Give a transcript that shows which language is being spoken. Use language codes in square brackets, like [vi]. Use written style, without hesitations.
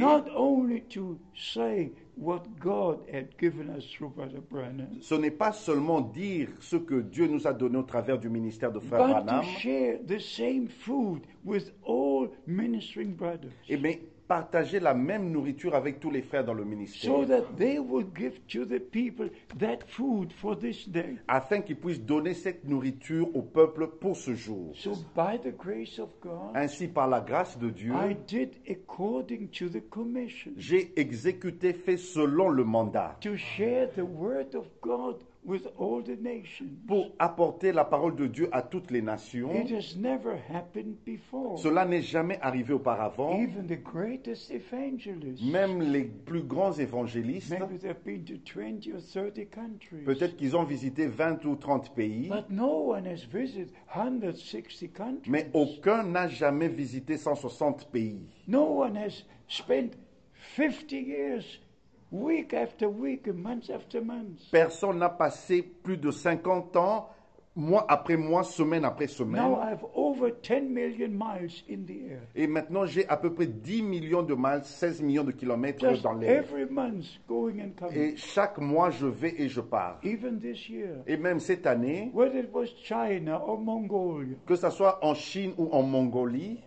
[en] Not only to say what God had given us through Brother Branham. [fr] Ce n'est pas seulement dire ce que Dieu nous a donné au travers du ministère de Frère [en] but [fr] Branham. [en] But to share the same food with all ministering brothers. [fr] Et mais partager la même nourriture avec tous les frères dans le ministère. [en] So that they would give to the people that food for this day. [fr] Afin qu'ils puissent donner cette nourriture au peuple pour ce jour. [en] So by the grace of God, [fr] ainsi par la grâce de Dieu, [en] I did according to the commission. [fr] J'ai exécuté, fait selon le mandat. [en] To share the word of God with all the nations. [fr] Pour apporter la parole de Dieu à toutes les nations. [en] It has never happened before. [fr] Cela n'est jamais arrivé auparavant. [en] Even the greatest evangelists. [fr] Même les plus grands évangélistes. [en] Maybe they've been to 20 or 30 countries. [fr] Peut-être qu'ils ont visité 20 ou 30 pays. [en] But no one has visited 160 countries. [fr] Mais aucun n'a jamais visité 160 pays. [en] No one has spent 50 years week after week, month after month. [fr] Personne n'a passé plus de 50 ans, mois après mois, semaine après semaine. [en] Now I have over 10 million miles in the air. [fr] Et maintenant j'ai à peu près 10 millions de miles, 16 millions de kilomètres [en] just [fr] dans l'air. [en] Every month going and coming. [fr] Et chaque mois je vais et je pars. [en] Even this year. [fr] Et même cette année. [en] Whether it was China or Mongolia. [fr] Que ça soit en Chine ou en Mongolie.